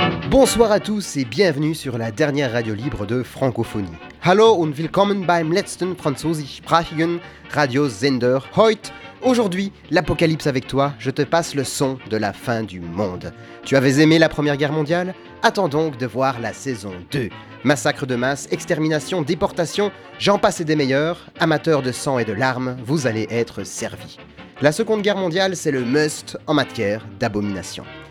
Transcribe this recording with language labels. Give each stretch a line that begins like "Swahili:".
French: Bonsoir à tous et bienvenue sur la dernière radio libre de francophonie.
German: Hallo und willkommen beim letzten französischsprachigen Radio Sender heute.
French: Aujourd'hui, l'apocalypse avec toi, je te passe le son de la fin du monde. Tu avais aimé la Première Guerre mondiale ? Attends donc de voir la saison 2. Massacre de masse, extermination, déportation, j'en passe et des meilleurs. Amateurs de sang et de larmes, vous allez être servis. La Seconde Guerre mondiale, c'est le must en matière d'abomination.